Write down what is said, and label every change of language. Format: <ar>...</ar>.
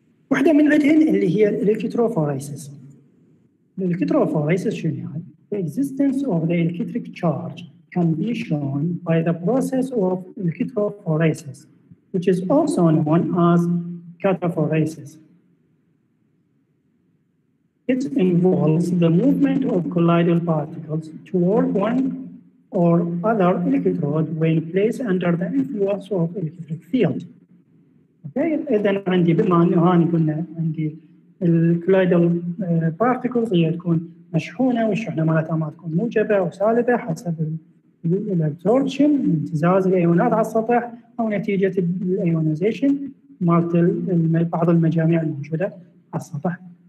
<ar>واحدة من عندهن اللي هي الإلكتروفوريسيس الإلكتروفوريسيس شنو هي؟</ar> <en>The existence of the electric charge can be shown by the process of electrophoresis, which is also known as cathephoresis. It involves the movement of colloidal particles toward one or other electrode when placed under the influence of electric field. Okay, then</en> <ar>عندي بما أنه هان قلنا عندي colloidal particles هي تكون مشحونة والشحنة مالتها ما تكون موجبة أو سالبة حسب الابزوربشن امتزاز الايونات على السطح أو نتيجة الايونيزيشن مالت بعض المجاميع الموجودة على السطح.</ar>